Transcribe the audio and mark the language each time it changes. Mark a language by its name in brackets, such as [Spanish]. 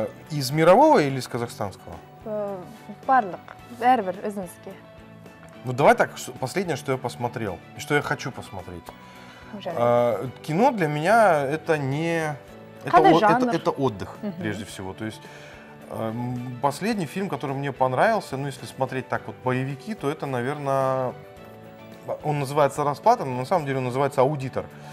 [Russian] Из мирового или из казахстанского? [Kazakh] Барлық, бәрібір, өзіңізге. [Russian] Ну давай так, последнее, что я посмотрел, и что я хочу посмотреть. Кино для меня это не... Это отдых, прежде всего. То есть последний фильм, который мне понравился, ну, если смотреть так вот боевики, то это, наверное, он называется «Расплата», но на самом деле он называется «Аудитор».